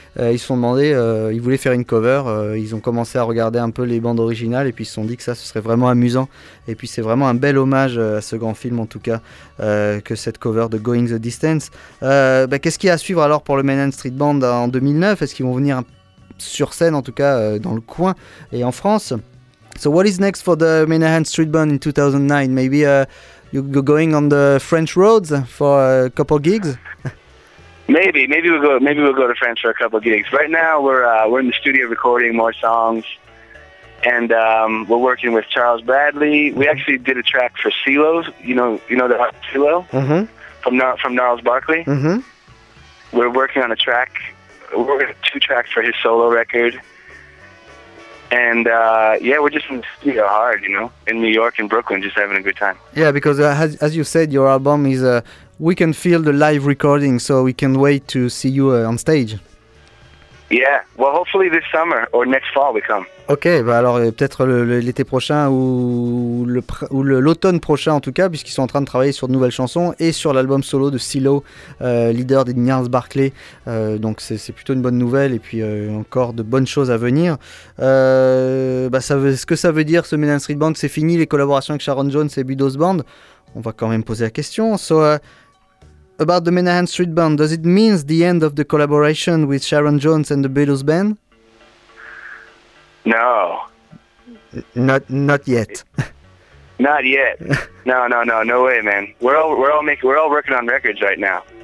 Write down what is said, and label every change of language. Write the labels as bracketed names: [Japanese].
[French] Ils se sont demandé, ils voulaient faire une cover. Ils ont commencé à regarder un peu les bandes originales et puis ils se sont dit que ça, ce serait vraiment amusant. Et puis c'est vraiment un bel hommage à ce grand film, en tout cas, que cette cover de Going the Distance. Qu'est-ce qu'il y a à suivre alors pour le Manhattan Street Band en 2009? Est-ce qu'ils vont venir sur scène, en tout cas dans le coin et en France? [English] So what is next for the Manhattan Street Band in 2009? Maybe you're going on the French roads for a couple gigs? Maybe we'll go to France for a couple gigs. Right now we're in the studio recording more songs, and we're working with Charles Bradley. We actually did a track for CeeLo, you know the artist CeeLo, mm-hmm. from Gnarls Barkley. Mm-hmm. We're working on a track. We're working on two tracks for his solo record. And we're just in the studio hard, you know, in New York and Brooklyn, just having a good time. Yeah, because as you said, your album is we can feel the live recording, so we can't wait to see you on stage. Yeah, well, hopefully this summer or next fall we come. [French] Ok, alors peut-être l'été prochain ou l'automne prochain, en tout cas, puisqu'ils sont en train de travailler sur de nouvelles chansons et sur l'album solo de CeeLo, leader des Gnarls Barkley. Donc c'est plutôt une bonne nouvelle, et puis encore de bonnes choses à venir. Ce que ça veut dire, ce Manhattan Street Band, c'est fini les collaborations avec Sharon Jones et Budo's Band. On va quand même poser la question. [English] So, about the Manhattan Street Band, does it mean the end of the collaboration with Sharon Jones and the Budo's Band? No. Not yet. Not yet. No. No way, man. We're all working on records right now.